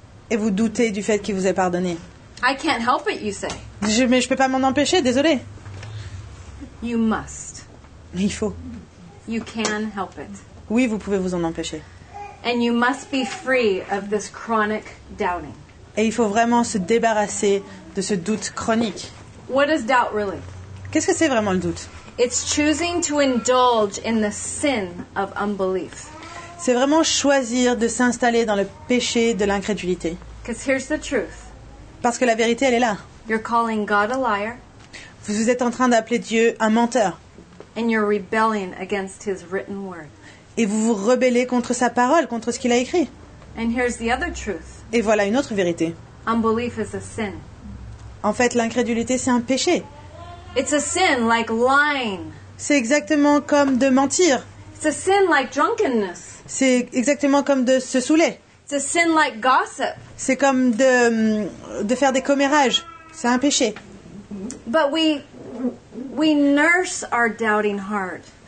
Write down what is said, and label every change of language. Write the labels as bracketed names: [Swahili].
[French] Et vous doutez du fait qu'il vous ait pardonné. [English] I can't help it, you say. [French] Mais je peux pas m'en empêcher, désolé. [English] You must. [French] Il faut. [English] You can help it. [French] Oui, vous pouvez vous en empêcher. [English] And you must be free of this chronic doubting. [French] Et il faut vraiment se débarrasser de ce doute chronique. [English] What is doubt really? [French] Qu'est-ce que c'est vraiment le doute? [English] It's choosing to indulge in the sin of unbelief. [French] C'est vraiment choisir de s'installer dans le péché de l'incrédulité. [English] Because here's the truth. [French] Parce que la vérité, elle est là. [English] You're calling God a liar. [French] Vous êtes en train d'appeler Dieu un menteur. [English] And you're rebelling against his written word. [French] Et vous vous rebellez contre sa parole, contre ce qu'il a écrit. [English] And here's the other truth. [French] Et voilà une autre vérité. [English] Unbelief is a sin. [French] En fait, l'incrédulité, c'est un péché. [English] It's a sin like lying. [French] C'est exactement comme de mentir. [English] It's a sin like drunkenness. [French] C'est exactement comme de se saouler. [English] It's a sin like gossip. [French] C'est comme de faire des commérages. C'est un péché. [English] But we nurse our doubting heart.